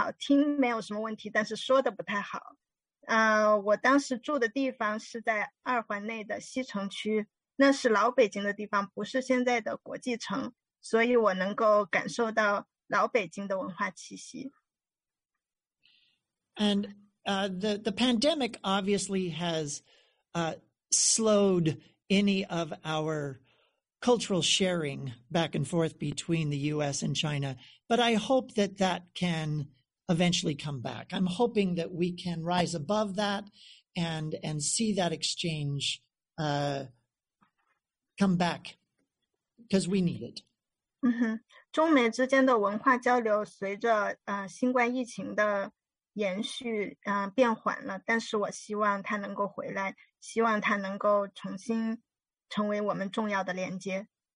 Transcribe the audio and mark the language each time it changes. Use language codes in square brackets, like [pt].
[zh] 我与中国的官方的关系是作为戏剧表演专家的名义，但是我真正吸引我的是那里的人和文化。我在北京待了三年，中文不是很好，听没有什么问题，但是说的不太好。我当时住的地方是在二环内的西城区，那是老北京的地方，不是现在的国际城，所以我能够感受到老北京的文化气息。 [en] And the pandemic obviously has slowed any of our cultural sharing back and forth between the US and China, but I hope that that can eventually come back. I'm hoping that we can rise above that and see that exchange come back because we need it. [zh] 中美之间的文化交流随着新冠疫情的延续变缓了，但是我希望它能够回来，希望它能够重新成为我们重要的连接。